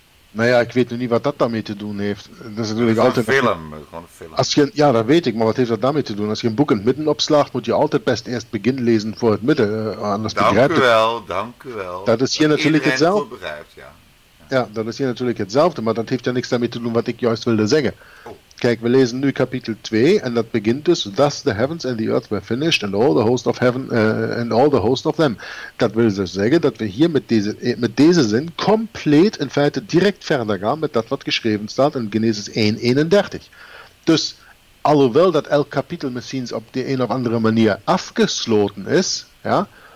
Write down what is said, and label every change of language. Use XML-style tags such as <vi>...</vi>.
<nl>Nou ja, ik weet nu niet wat dat daarmee te doen heeft. Dat is natuurlijk altijd een film. Ja, dat weet ik, maar wat heeft dat daarmee te doen? Als je een boek in het midden opslaagt, moet je altijd best eerst begin lezen voor het midden. Dank u wel. Dat is hier natuurlijk hetzelfde. Dat is hier natuurlijk hetzelfde, maar dat heeft ja niks daarmee te doen wat ik juist wilde zeggen. Oh. Kijk, we lezen nu kapitel 2 en dat begint dus:</nl> <en>Thus the heavens and the earth were finished and all the host of heaven and all the host of them.</en> <nl>Dat wil dus zeggen dat we hier met deze zin compleet in feite direct verder gaan met dat wat geschreven staat in Genesis 1, 31. Dus, alhoewel dat elk kapitel misschien op de een of andere manier afgesloten is, ja.</nl>